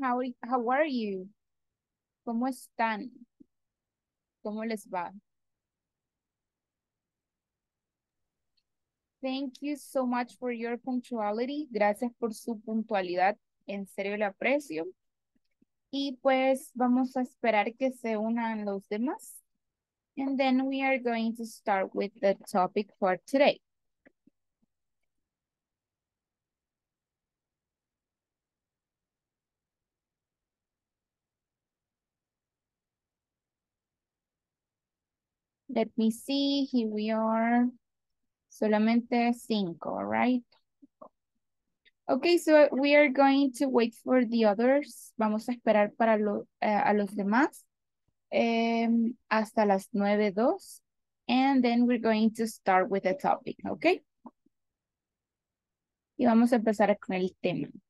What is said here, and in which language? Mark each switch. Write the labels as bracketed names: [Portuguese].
[English] How are you? [Spanish] ¿Cómo están? ¿Cómo les va? [English] Thank you so much for your punctuality. [Spanish] Gracias por su puntualidad. En serio, lo aprecio. Y pues vamos a esperar que se unan los demás. [English] And then we are going to start with the topic for today. Let me see, here we are. [Spanish] Solamente cinco, [English] all right? Okay, so we are going to wait for the others. [Spanish] Vamos a esperar para a los demás hasta las 9:02. [English] And then we're going to start with the topic, okay? [Spanish] Y vamos a empezar con el tema.